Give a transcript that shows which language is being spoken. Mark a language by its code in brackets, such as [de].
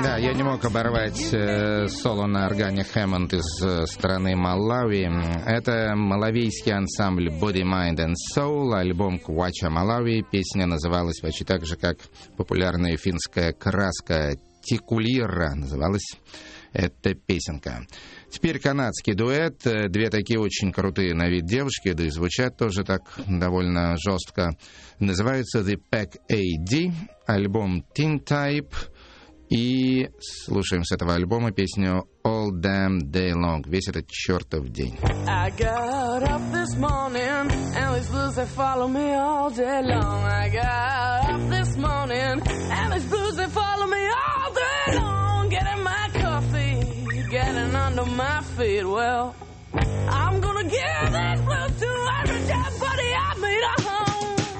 [ru] Оборвать соло на органе Хэммонд из страны Малави. Это малавийский ансамбль Body, Mind and Soul, альбом Kwacha Malawi. Песня называлась почти так же, как популярная финская краска Тикулира называлась эта песенка. Теперь канадский дуэт. Две такие очень крутые на вид девушки, да и звучат тоже так довольно жестко. Называются The Pack AD, альбом Tintype. И слушаем с этого альбома песню All Damn Day Long, весь этот чертов день. [en] I got up this morning, and these blues they follow me all day long. I got up this morning, and these blues they follow me all day long. Getting my coffee, getting under my feet. Well, I'm gonna give these blues to every damn buddy I meet at home.